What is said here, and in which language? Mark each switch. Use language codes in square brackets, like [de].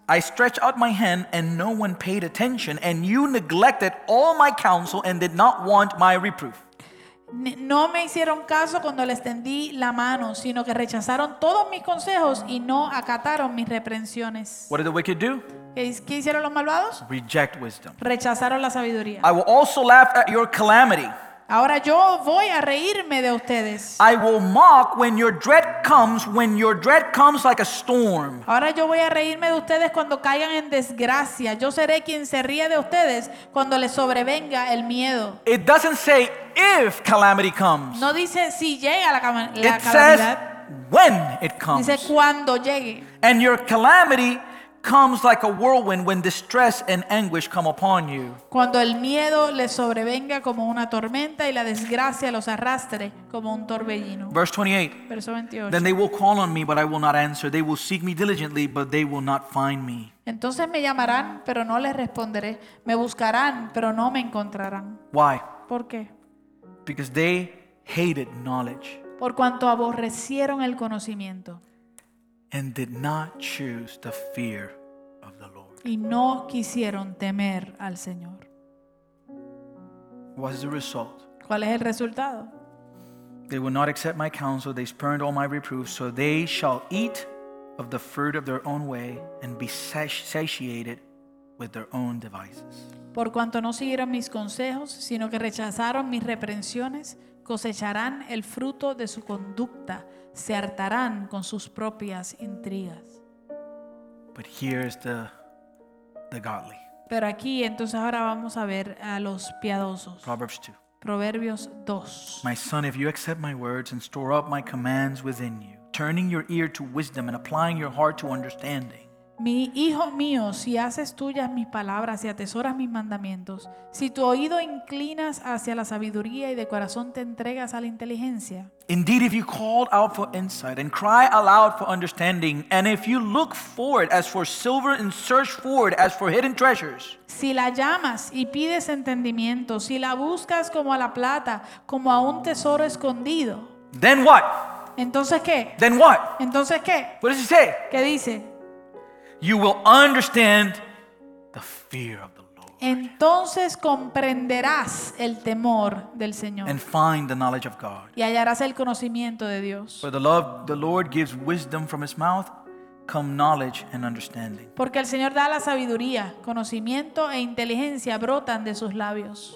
[en] I stretched out my hand and no one paid attention, and you neglected all my counsel and did not want my reproof. [es] No me hicieron caso cuando les tendí la mano, sino que rechazaron todos mis consejos y no acataron mis reprensiones. [en] What did the wicked do? [es] ¿Qué hicieron los malvados? [en] Reject wisdom. [es] Rechazaron la sabiduría. [en] I will also laugh at your calamity. [es] Ahora yo voy a reírme de ustedes. [en] I will mock when your dread comes when your dread comes like a storm. [es] Ahora yo voy a reírme de ustedes cuando caigan en desgracia. Yo seré quien se ríe de ustedes cuando les sobrevenga el miedo. [en] It doesn't say if calamity comes. [es] No dice si llega la calamidad. [en] It says when it comes. [es] Dice cuando llegue. [en] And your calamity comes like a whirlwind when distress and anguish come upon you. [es] Cuando el miedo le sobrevenga como una tormenta y la desgracia los arrastre como un torbellino. [en] Verse 28. [es] Verso 28. [en] Then they will call on me, but I will not answer. They will seek me diligently, but they will not find me. [es] Entonces me llamarán, pero no les responderé. Me buscarán, pero no me encontrarán. [en] Why? [es] ¿Por qué? [en] Because they hated knowledge. [es] Por cuanto aborrecieron el conocimiento. [en] And did not choose the fear of the Lord. [es] Y no quisieron temer al Señor. [en] What is the result? [es] ¿Cuál es el resultado? [en] They will not accept my counsel, they spurned all my reproof, so they shall eat of the fruit of their own way and be satiated with their own devices. [es] Por cuanto no siguieron mis consejos, sino que rechazaron mis reprensiones, cosecharán el fruto de su conducta. Se hartarán con sus propias intrigas. [en] But here is the godly. [es] Pero aquí, entonces ahora vamos a ver a los piadosos. [en] Proverbs 2. [es] Proverbios 2. [en] My son, if you accept my words and store up my commands within you, turning your ear to wisdom and applying your heart to understanding. [es] Mi hijo mío, si haces tuyas mis palabras y atesoras mis mandamientos, si tu oído inclinas hacia la sabiduría y de corazón te entregas a la inteligencia. [en] Indeed, if you call out for insight and cry aloud for understanding, and if you look for it as for silver and search for it as for hidden treasures. [es] Si la llamas y pides entendimiento, si la buscas como a la plata, como a un tesoro escondido. [en] Then what? [es] Entonces qué? [en] Then what? [es] Entonces qué? [en] What does he say? [es] ¿Qué dice? [en] You will understand the fear of the Lord. [es] Entonces comprenderás el temor del Señor. [en] And find the knowledge of God. [es] Y hallarás el conocimiento de Dios. [en] For the Lord gives wisdom from his mouth, come knowledge and understanding. [es] Porque el Señor da la sabiduría, conocimiento e inteligencia brotan de sus labios.